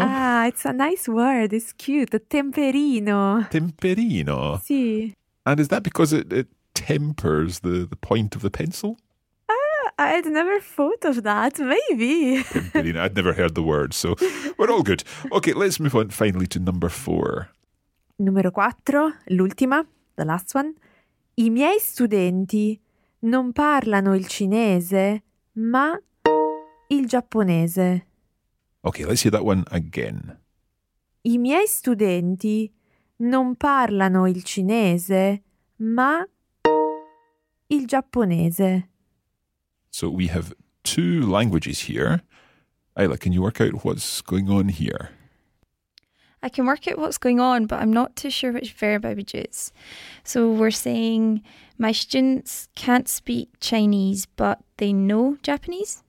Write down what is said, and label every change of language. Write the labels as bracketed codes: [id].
[en] Ah, it's a nice word. It's cute. Temperino. [it] Temperino. Si. [en] And is that because it tempers the point of the pencil? I'd never thought of that, maybe. I'd never heard the word, so we're all good. Okay, let's move on finally to number four. [it] Numero quattro, l'ultima, [en] the last one. [it] I miei studenti non parlano il cinese, ma il giapponese. [en] Okay, let's hear that one again. [it] I miei studenti non parlano il cinese, ma il giapponese. [en] So we have two languages here. Ayla, can you work out what's going on here? I can work out what's going on, but I'm not too sure which verb I would use. So we're saying my students can't speak Chinese, but they know Japanese.